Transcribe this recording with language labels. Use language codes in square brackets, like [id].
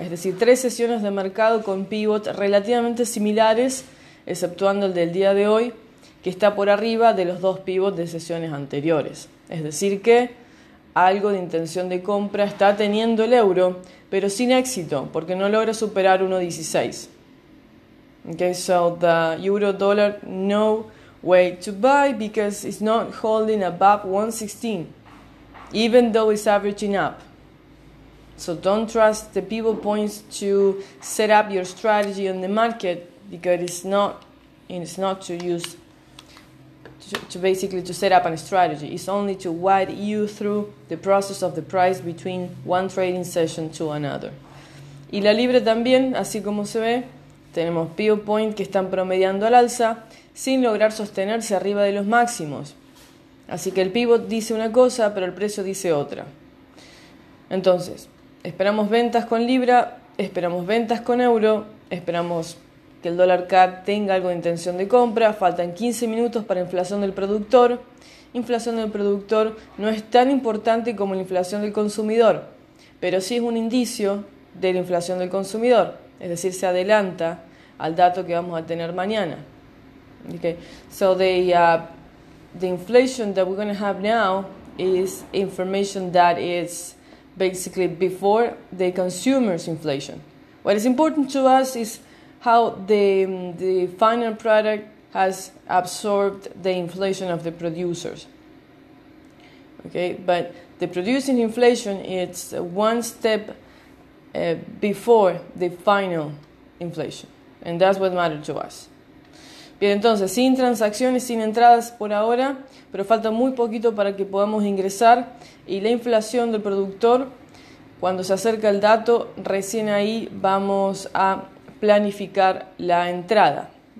[es] Es decir, tres sesiones de mercado con pivot relativamente similares, exceptuando el del día de hoy, que está por arriba de los dos pivots de sesiones anteriores. Es decir que algo de intención de compra está teniendo el euro, pero sin éxito, porque no logra superar 1.16. [en] Okay, so the euro dollar, no way to buy because it's not holding above 1.16. Even though it's averaging up. So don't trust the pivot points to set up your strategy on the market because it's not to use to basically to set up a strategy. It's only to guide you through the process of the price between one trading session to another. [es] Y la libra también, así como se ve, tenemos pivot points que están promediando al alza sin lograr sostenerse arriba de los máximos. Así que el pivot dice una cosa, pero el precio dice otra. Entonces, esperamos ventas con libra, esperamos ventas con euro, esperamos que el dólar CAD tenga algo de intención de compra, faltan 15 minutos para inflación del productor. Inflación del productor no es tan importante como la inflación del consumidor, pero sí es un indicio de la inflación del consumidor, es decir, se adelanta al dato que vamos a tener mañana. [en] Okay. So the inflation that we're going to have now is information that is basically before the consumer's inflation. What is important to us is how the final product has absorbed the inflation of the producers. Okay, but the producing inflation, it's one step before the final inflation. And that's what matters to us. [es] Bien, entonces, sin transacciones, sin entradas por ahora, pero falta muy poquito para que podamos ingresar. Y la inflación del productor, cuando se acerca el dato, recién ahí vamos a planificar la entrada.